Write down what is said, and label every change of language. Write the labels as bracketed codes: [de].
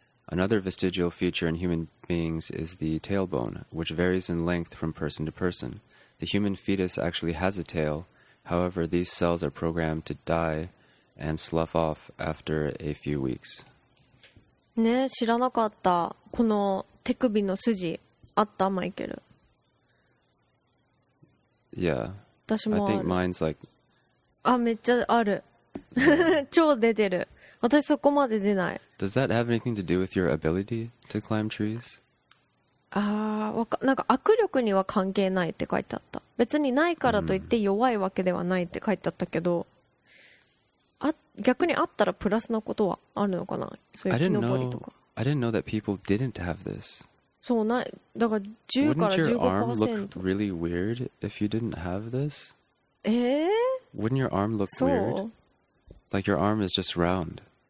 [en] Another vestigial feature in human beings is the tailbone, which varies in length from person to person. The human fetus actually has a tail. However, these cells are programmed to die and slough off after a few weeks. [ja] ね、知らなかった。この手首の筋あった、マイケル。 [en] Yeah. [ja] 私もある。 [en] I think mine's like... [ja] あ、めっちゃある。超出てる。私そこまで出ない。 [en] Does that have anything to do with your ability to climb trees? [ja] なんか握力には関係ないって書いてあった。別にないからといって弱いわけではないって書いてあったけど、逆にあったらプラスのことはあるのかな？そういう木登りとか。 [en] I didn't know that people didn't have this. [ja] そうない。だから10から15%。 [en] Wouldn't your arm look really weird if you didn't have this? Wouldn't your arm look weird? Like your arm is just round.